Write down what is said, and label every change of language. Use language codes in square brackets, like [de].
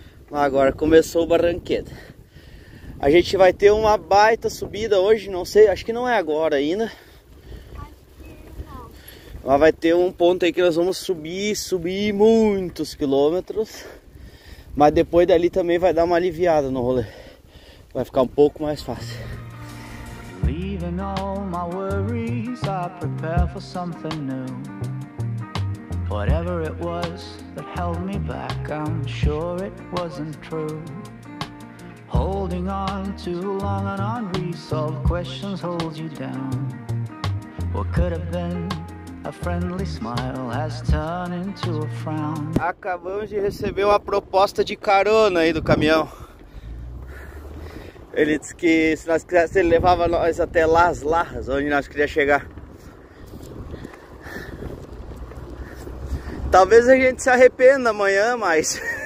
[pt] Agora começou o barranquedo. A gente vai ter uma baita subida hoje, não sei, acho que não é agora ainda. Mas vai ter um ponto aí que nós vamos subir muitos quilômetros. Mas depois dali também vai dar uma aliviada no rolê. Vai ficar um pouco mais fácil. [en] Leaving all my worries, I prepare for something new. Whatever it was that held me back, I'm sure it wasn't true. Holding on too long and unresolved questions hold you down. What could have been a friendly smile has turned into a frown. [pt] Acabamos de receber uma proposta de carona aí do caminhão. Ele disse que se nós quisesse, ele levava nós até Las Larras, onde nós queríamos chegar. Talvez a gente se arrependa amanhã, mas...